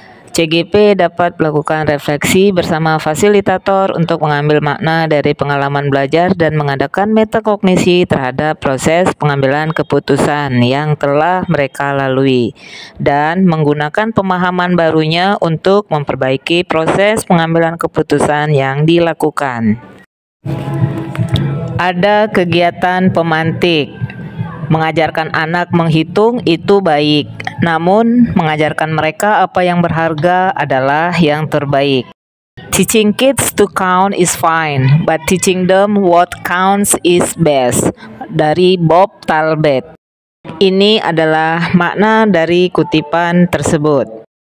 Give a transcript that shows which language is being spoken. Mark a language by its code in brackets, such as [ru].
[id] CGP dapat melakukan refleksi bersama fasilitator untuk mengambil makna dari pengalaman belajar dan mengadakan metakognisi terhadap proses pengambilan keputusan yang telah mereka lalui dan menggunakan pemahaman barunya untuk memperbaiki proses pengambilan keputusan yang dilakukan. Ada kegiatan pemantik. Mengajarkan anak menghitung itu baik, namun mengajarkan mereka apa yang berharga adalah yang terbaik. [en] Teaching kids to count is fine, but teaching them what counts is best. [id] Dari Bob Talbot. Ini adalah makna dari kutipan tersebut.